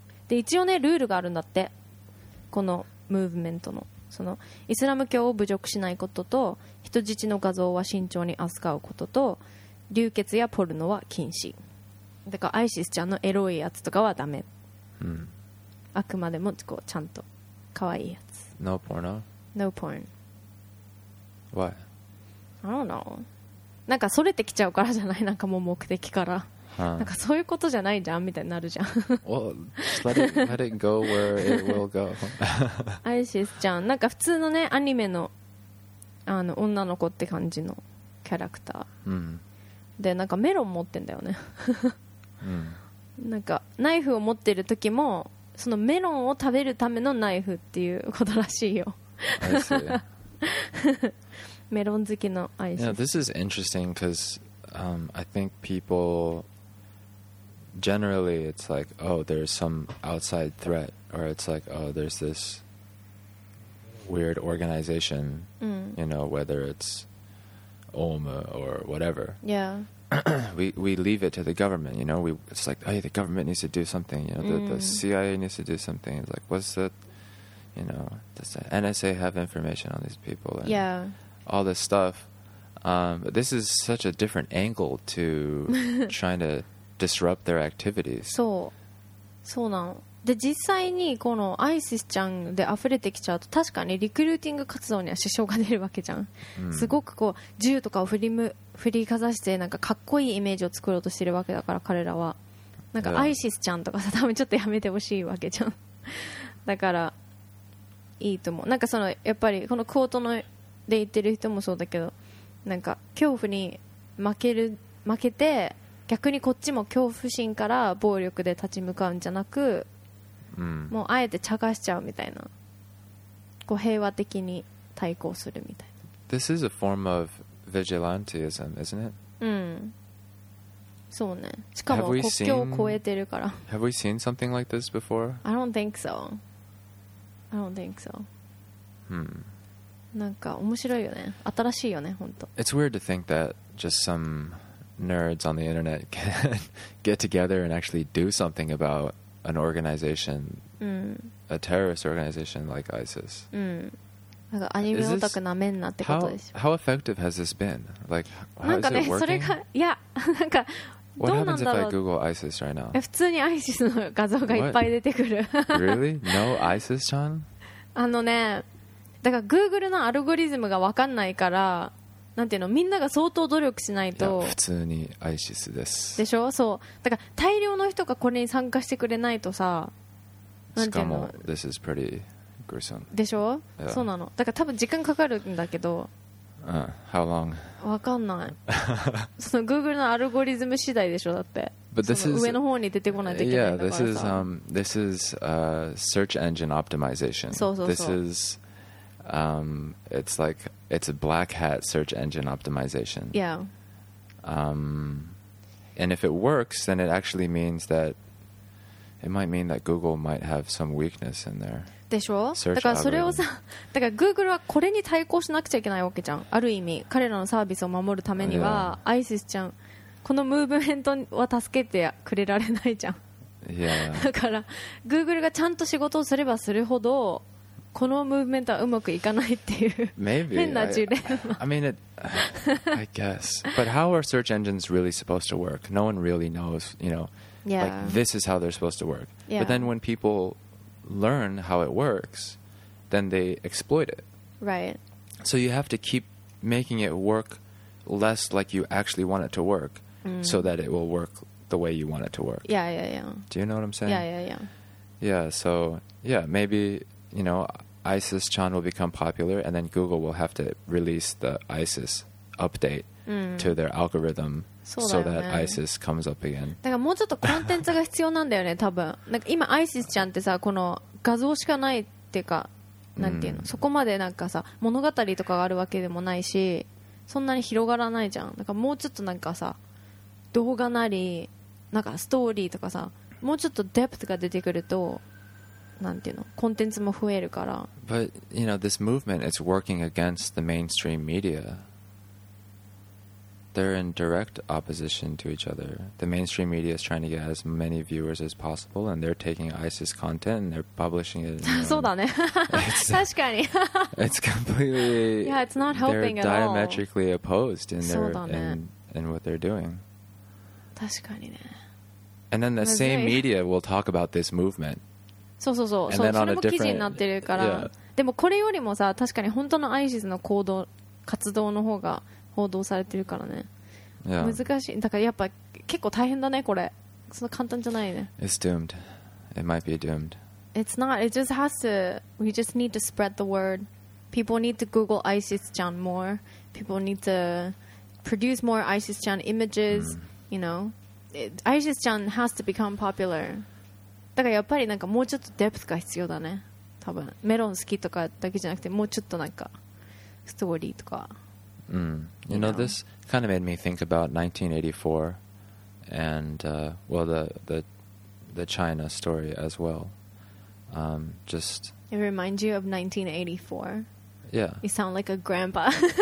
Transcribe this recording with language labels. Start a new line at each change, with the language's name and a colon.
Japanese: で一応ねルールがあるんだってこのムーブメントのそのイスラム教を侮辱しないことと人質の画像は慎重に扱うことと流血やポルノは禁止だからアイシスちゃんのエロいやつとかはダメ、うん、あくまでもこうちゃんと可愛いやつ
English: No porno? No porn Why? I don't know
Japanese: なんかそれてきちゃうからじゃないなんかもう目的から、huh. なんかそういうことじゃないじゃんみたいになるじゃん
English: Well, just let it go where it will go
Japanese: アイシスちゃんなんか普通のねアニメの女の子って感じのキャラクター、 mm. でなんかメロン持ってんだよね、 mm. なんかナイフを持ってる時もそのメロンを食べるためのナイフっていうことらしいよ
English: I see
Japanese: メロン好きのアイシス。
English: Yeah, this is interesting because I think people generally it's like oh there's some outside threat or it's like oh there's this weird organization、 mm. you know whether it's Om or whatever. Yeah. we leave it to the government, you know. It's like, hey, the government needs to do something. You know, the CIA needs to do something. It's like, what's that? You know, does the NSA have information on these people? And yeah. All this stuff. But this is such a different angle to trying to disrupt their activities. So, so now.
Japanese: で実際にこのアイシスちゃんで溢れてきちゃうと確かにリクルーティング活動には支障が出るわけじゃん、うん、すごくこう銃とかを振りかざしてなんかかっこいいイメージを作ろうとしてるわけだから彼らはなんかアイシスちゃんとかさ多分ちょっとやめてほしいわけじゃんだからいいと思うなんかそのやっぱりこのクォートので言ってる人もそうだけどなんか恐怖に負けて逆にこっちも恐怖心から暴力で立ち向かうんじゃなくうん、もうあえて茶化しちゃうみたいな、こう平和的に対抗するみたいな。
English: This is a form of vigilantism, isn't it?
Japanese: うん。そうね。しかも国境を越えてるから。
English: Have we seen something like this before? I don't think so. I don't think so.
Japanese: なんか面白いよね。新しいよね、本当。
English: It's weird to think that just some nerds on the internet can get together and actually do something about. An organization,、 mm. a terrorist organization like ISIS.、
Japanese: Mm. なんかアニメオタクなめんなってことでしょ。
English: How effective has this been? Like, how
Japanese: なんか、ね、
English: is it working?
Japanese: それがいやなんかどうなんだろう。
English: What happens if I Google ISIS right now?
Japanese: 普通に ISIS の画像がいっぱい出てくる。
English: really? No ISIS ちゃん？
Japanese: あのね、だから Google のアルゴリズムが分かんないから、なんていうの、みんなが相当努力しないと。普通に ISIS です。でしょ？そう。だから大量の人がこれに参加してくれないとさ、なんていうの。しかも
English: This is pretty gruesome。
Japanese: でしょ？
English: Yeah.
Japanese: そうなの。だから多分時間かかるんだけど。
English: How long？
Japanese: わかんない。その Google のアルゴリズム次第でしょだって。
English: But this
Japanese: その上の方に出てこないといけないんだからさ。
English: Yeah, this is search engine optimization。
Japanese: そうそうそう。
English: This is it's like it's a black hat search engine optimization. Yeah. And if it works, then it actually means that it might mean that Google might have some weakness in there.
Japanese: でしょ？だからそれをさ、だから Google はこれに対抗しなくちゃいけないわけじゃん。ある意味、彼らのサービスを守るためには、
English: yeah.
Japanese: ISIS ちゃん、このムーブメントは助けてくれられないじゃん。
English: Yeah.
Japanese: だから Google がちゃんと仕事をすればするほど。このムーブメントはうまくいかないっていう
English: Maybe.
Japanese: 変な事例。
English: I mean it. I guess. But how are search engines really supposed to work? No one really knows. You know. Yeah. Like this is how they're supposed to work. Yeah. But then when people learn how it works, then they exploit it. Right. So you have to keep making it work less like you actually want it to work, so that it will work the way you want it to work. Yeah, yeah, yeah. Do you know what I'm saying? Yeah, yeah, yeah. Yeah. So yeah, maybe. You know, ISIS Chan will become popular, and then Google will have to release the ISIS update、to their algorithm、
Japanese: ね、
English: so that ISIS comes up again.
Japanese: だからもうちょっとコンテンツが必要なんだよね、多分。なんか今 ISIS ちゃんってさ、この画像しかないっていうか、なんていうの、そこまでなんかさ、物語とかがあるわけでもないし、そんなに広がらないじゃん。だからもうちょっとなんかさ、動画なり、なんかストーリーとかさ、もうちょっとデプトが出てくると。なんていうの、コンテンツも増えるから。
English: But you know this movement is working against the mainstream media. They're in direct opposition to each other. The mainstream media is trying to get as many viewers as possible, and they're taking ISIS content and they're publishing it.
Japanese: そうだね。確かに。
English: It's completely. Yeah, it's not helping at all. They're diametrically opposed in their in what they're doing.
Japanese: 確かにね。
English: And then the same media will talk about this movement.
Japanese: そうそうそう、それも記事になってるから、
English: yeah.
Japanese: でもこれよりもさ、確かに本当の ISIS の行動活動の方が報道されてるからね、
English: yeah.
Japanese: 難しい。だからやっぱ結構大変だね、これ。そんな簡単じゃないね。
English: It's doomed. It might be doomed. It's not. It just has to. We just need to spread the word. People need to Google ISIS Chan more. People need to produce more ISIS Chan images. You know, ISIS Chan has to become popular.
Japanese: だからやっぱりなんかもうちょっとデプトが必要だね、多分。メロン好きとかだけじゃなくて、もうちょっとなんかストーリーとか、
English: You know, this kind of made me think about 1984 and well the China story as well. It reminds you of 1984. Yeah. You sound like a grandpa.